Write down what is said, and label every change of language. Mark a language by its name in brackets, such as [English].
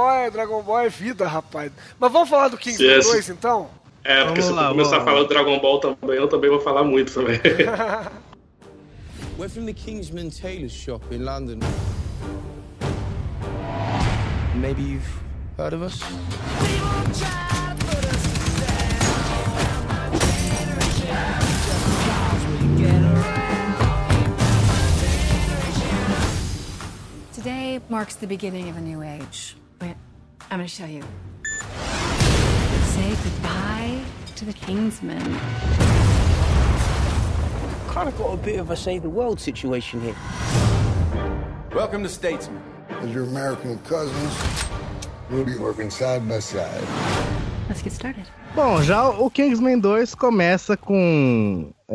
[Portuguese] Dragon Ball é vida, rapaz. Mas vamos falar do Kingsman 2, então? É, porque vamos se lá, tu começar a falar do Dragon Ball também, eu também vou falar muito também. [English] We're from the Kingsman Tailor Shop in London. Maybe you've heard of us? Today marks the beginning of a new age. Wait, I'm gonna show you. Say goodbye to the Kingsmen. Kind of got a bit of a save the world situation here. Welcome to Statesman. As your American cousins, we'll be working side by side. Let's get started. [Portuguese] Bom, já o Kingsman 2 começa com...